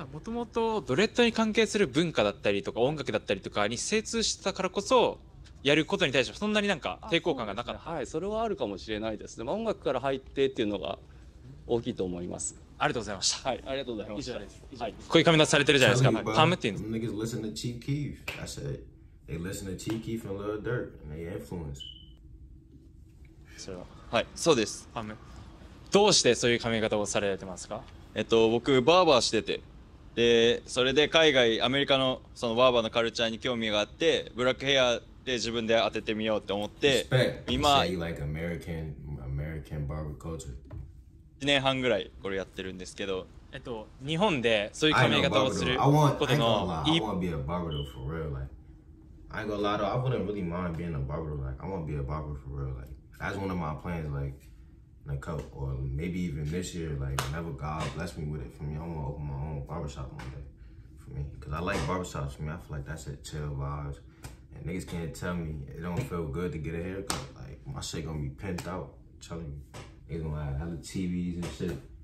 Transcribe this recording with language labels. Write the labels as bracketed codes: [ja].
[ja] もともとドレッドに関係する文化だったりとか音楽だったりとかに精通してたからこそやることに対してそんなになんか抵抗感がなかった。はい、それはあるかもしれないですね。まあ音楽から入ってっていうのが大きいと思います。ありがとうございました。はい、ありがとうございました。はい、こういう髪型されてるじゃないですか。パムって言う [en] の。Niggas listen to Chief Keef. I said they listen to Chief Keef and Lil Durk and they influence. [ja] それは、はい、そうです。パム、どうしてそういう髪型をされてますか。僕バーバーしてて、でそれで海外アメリカのそのバーバーのカルチャーに興味があって、ブラックヘアで自分で当ててみようって思って、 [en] 今 You say you like American barber culture. [ja] 1年半ぐらいこれやってるんですけど、日本でそういう髪型をすることの [en] I want to be a barber though for real, like I ain't gonna lie though, I wouldn't really mind being a barber, like I want to be a barber for real, like that's one of my plans, like in a couple, or maybe even this year, like whenever God bless me with it for me, I'm gonna open my own barbershop one day for me, cause I like barbershops for me, I feel like that's a chill vibes, and niggas can't tell me it don't feel good to get a haircut, like my shit gonna be pent out, I'm telling youNiggas gonna have hella TVs and shit.